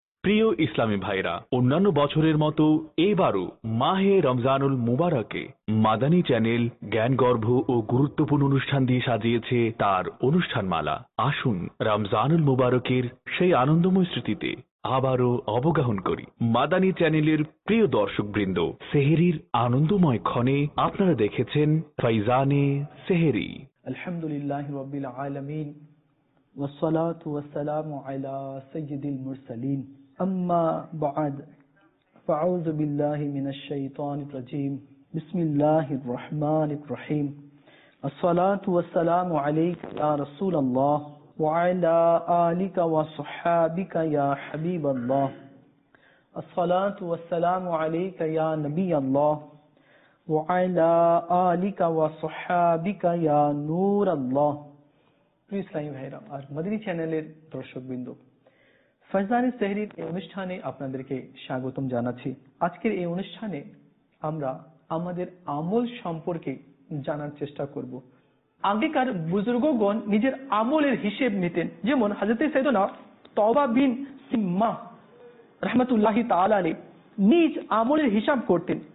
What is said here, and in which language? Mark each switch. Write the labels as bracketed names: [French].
[Bangla] প্রিয় ইসলামী ভাইরা, অন্যান্য বছরের মতো এবারও মাহে রমজানুল মুবারকে মাদানী চ্যানেল জ্ঞানগর্ভ ও গুরুত্বপূর্ণ অনুষ্ঠান দিয়ে সাজিয়েছে তার অনুষ্ঠানমালা। আসুন রমজানুল মুবারকের সেই আনন্দময় স্মৃতিতে আবারও অবগাহন করি। মাদানী চ্যানেলের প্রিয় দর্শকবৃন্দ, সেহেরির আনন্দময় ক্ষণে আপনারা দেখেছেন ফাইজানে সেহেরি। [Arabic] আলহামদুলিল্লাহ রাব্বিল আলামিন والصلاة والسلام على سيد المرسلين أما بعد فأعوذ بالله من الشيطان الرجيم بسم الله الرحمن الرحيم الصلاة والسلام عليك يا رسول الله وعلى آلك وصحابك يا حبيب الله الصلاة والسلام عليك يا نبي الله وعلى آلك وصحابك يا نور الله। [Bangla] ইসলামী ভাইরা আর মাদানী চ্যানেলের দর্শকবৃন্দ, ফয়জানে সেহরির এই অনুষ্ঠানে আপনাদেরকে স্বাগতম জানাচ্ছি। আজকের এই অনুষ্ঠানে আমরা আমাদের আমল সম্পর্কে জানার চেষ্টা করব। আগেকার বুজুর্গগণ নিজের আমলের হিসেব নিতেন, যেমন হযরতে সাইয়েদুনা তওবা বিন সিম্মাহ রাহমাতুল্লাহি তাআলা আলাইহি নিজ আমলের হিসাব করতেন।